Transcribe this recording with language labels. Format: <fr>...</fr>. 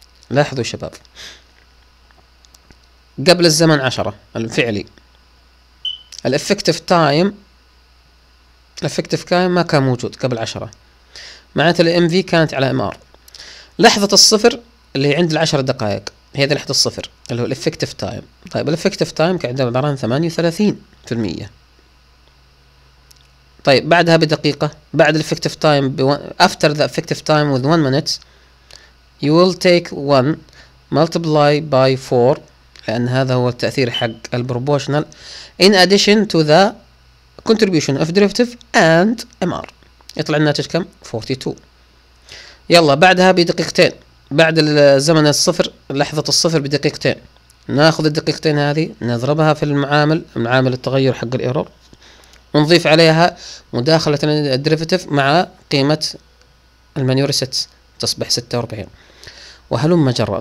<ar>لاحظوا شباب، قبل الزمن 10 الفعلي الافكتيف تايم ما كان موجود قبل 10، معناته الام في كانت على MR. لحظة الصفر اللي عند العشر دقائق هي لحظة الصفر اللي هو الافكتيف تايم. طيب الافكتيف تايم كان عندنا عبارة عن 38%. طيب بعدها بدقيقة، بعد الافكتيف تايم</ar> <en>after the effective time with 1 minute you will take 1 × 4،</en> <ar>لأن هذا هو التأثير حق البروبوشنال،</ar> <en>in addition to the contribution of derivative and MR.</en> <ar>يطلع الناتج كم؟ 42. يلا بعدها بدقيقتين، بعد الزمن الصفر لحظة الصفر بدقيقتين، ناخذ الدقيقتين هذه نضربها في المعامل، معامل التغير حق الايرور، ونضيف عليها مداخلة الدريفتيف مع قيمة المانيوريست، تصبح 46. وهلم جرى.</ar>